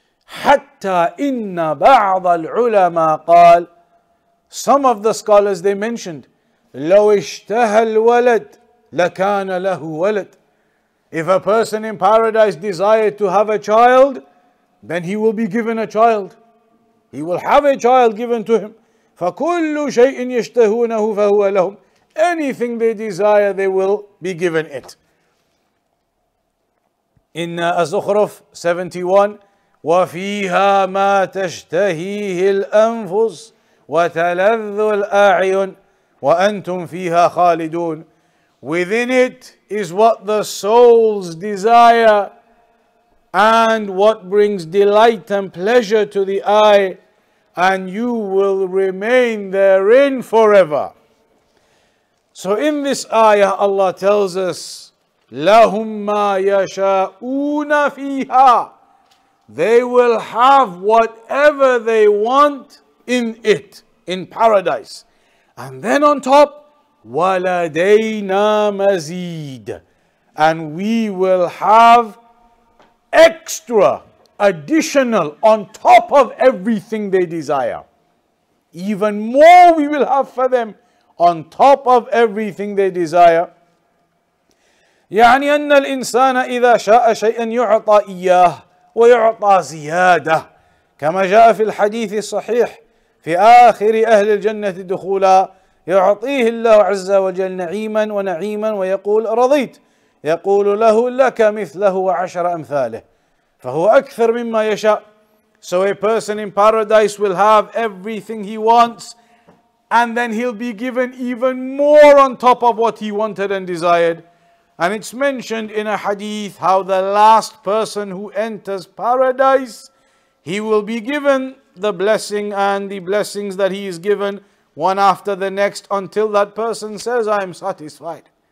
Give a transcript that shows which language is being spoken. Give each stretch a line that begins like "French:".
Arabic: حَتَّى إِنَّ بَعْضَ الْعُلَمَا قَالْ,
English: some of the scholars, they mentioned,
Arabic: لَوْ اشْتَهَى الْوَلَدْ لَكَانَ لَهُ وَلَدْ,
English: if a person in paradise desired to have a child, then he will be given a child. He will have a child given to him.
Arabic: فَكُلُّ شَيْءٍ يَشْتَهُونَهُ فَهُوَ لَهُمْ,
English: anything they desire, they will be given it.
Arabic: In Az-Zukhruf 71, وَفِيهَا مَا تَشْتَهِيهِ الْأَنْفُسِ وَتَلَذُّ الْأَعْيُنِ وَأَنْتُمْ فِيهَا خَالِدُونَ.
English: Within it is what the souls desire and what brings delight and pleasure to the eye, and you will remain therein forever. So in this ayah, Allah tells us,
Arabic: لَهُمْ مَا يَشَاءُونَ فِيهَا,
English: they will have whatever they want in it, in paradise. And then on top,
Arabic: وَلَدَيْنَا مَزِيدٌ,
English: and we will have extra, additional, on top of everything they desire. Even more we will have for them on top of everything they desire.
Arabic: يعني أن الإنسان إذا شاء شيئا يعطى إياه ويعطى زيادة كما جاء في الحديث الصحيح في آخر أهل الجنة دخولا يعطيه الله عز وجل نعيما ونعيما ويقول رضيت يقول له لك مثله وعشر أمثاله فهو أكثر مما يشاء.
English: So a person in paradise will have everything he wants, and then he'll be given even more on top of what he wanted and desired. And it's mentioned in a hadith how the last person who enters paradise, he will be given the blessing and the blessings that he is given one after the next until that person says, I am satisfied.